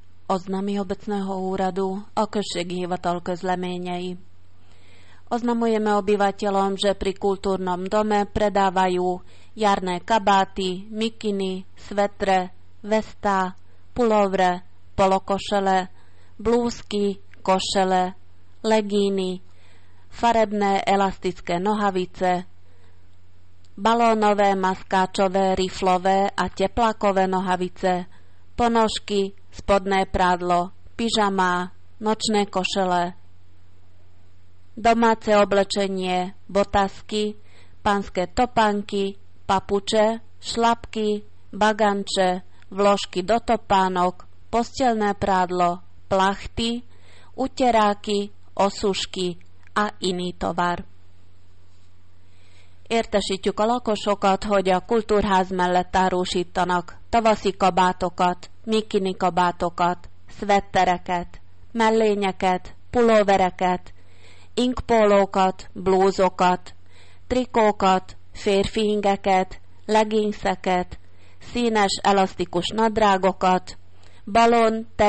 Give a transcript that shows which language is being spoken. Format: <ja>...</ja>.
<sk>oznámi obecného úradu</sk> <hu>a községi hivatal közleményei.</hu> <sk>Oznamujeme obyvateľom, že pri kultúrnom dome predávajú jarné kabáty, mikiny, svetre, vestá, pulovre, polokošele, blúzky, košele, legíny, farebné elastické nohavice, balónové, maskáčové, riflové a teplákové nohavice, ponožky, spodné prádlo, pyžamá, nočné košele, domáce oblečenie, botasky, panské topánky, papuče, šlapky, baganče, vložky do topánok, postelné prádlo, plachty, uteráky, osušky a iný tovar.</sk> <hu>Értesítjük a lakosokat, hogy a kultúrház mellett árusítanak tavaszi kabátokat, mikini kabátokat, szvettereket, mellényeket, pulóvereket, inkpólókat, blúzokat, trikókat, férfi ingeket, leggingseket, színes elasztikus nadrágokat, balon,</hu>